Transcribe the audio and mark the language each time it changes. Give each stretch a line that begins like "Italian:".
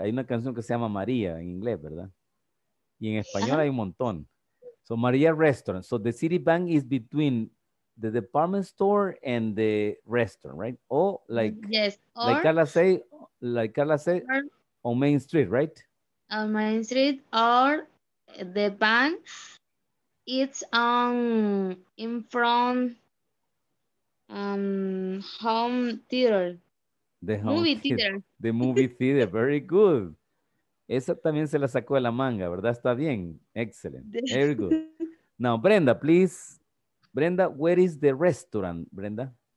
Spanish: Hay una canción que se llama Maria en inglés, ¿verdad? Y en español hay un montón.
English: So Maria restaurant. So the Citibank is between the department store and the restaurant, right? Or like Carla say, on Main Street, right? On Main Street, or the bank, it's in front home theater. The home movie theater. The movie theater, very good.
Spanish: Esa también se la sacó de la manga, ¿verdad? Está bien,
English: excellent, very good. Now, Brenda, please. Brenda, where is the restaurant, Brenda?